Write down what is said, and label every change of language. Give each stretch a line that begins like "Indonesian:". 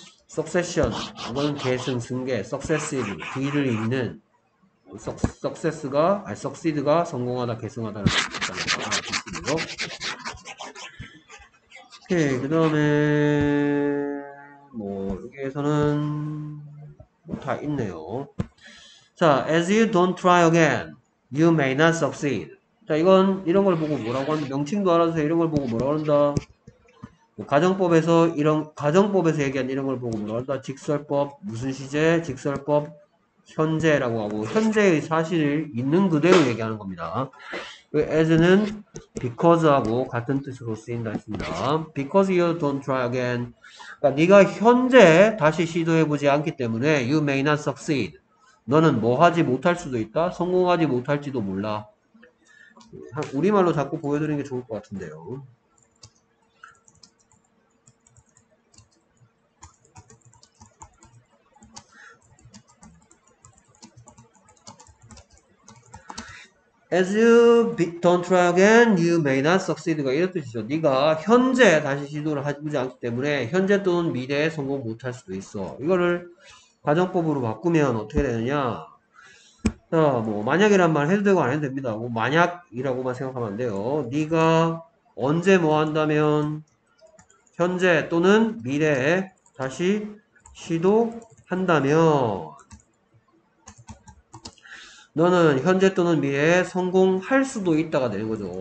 Korean: succession, 이건 계승, 승계, successive, 뒤를 잇는, success가, 아니, succeed가 성공하다, 계승하다는 뜻입니다. 오케이, 그 다음에 뭐 여기에서는 다 있네요. 자,
English: as you don't try again, you may not succeed.
Korean: 자, 이건 이런 걸 보고 뭐라고 하는, 명칭도 알아서 이런 걸 보고 뭐라고 한다. 가정법에서 이런, 가정법에서 얘기한 이런 걸 보고 뭐라고 한다. 직설법, 무슨 시제, 직설법, 현재라고 하고, 현재의 사실을 있는 그대로 얘기하는 겁니다. as는
English: because
Korean: 하고 같은 뜻으로 쓰인다 했습니다.
English: because you don't try again.
Korean: 그러니까 네가 현재 다시 시도해보지 않기 때문에
English: you may not succeed.
Korean: 너는 뭐 하지 못할 수도 있다? 성공하지 못할지도 몰라. 우리말로 자꾸 보여드리는 게 좋을 것 같은데요.
English: As you don't try again, you may not succeed가
Korean: 이런 뜻이죠. 네가 현재 다시 시도를 하지 않기 때문에 현재 또는 미래에 성공 못할 수도 있어. 이거를 가정법으로 바꾸면 어떻게 되느냐? 뭐 만약이란 말 해도 되고 안 해도 됩니다. 뭐 만약이라고만 생각하면 안 돼요. 네가 언제 뭐 한다면 현재 또는 미래에 다시 시도한다면 너는 현재 또는 미래에 성공할 수도 있다가 되는 거죠.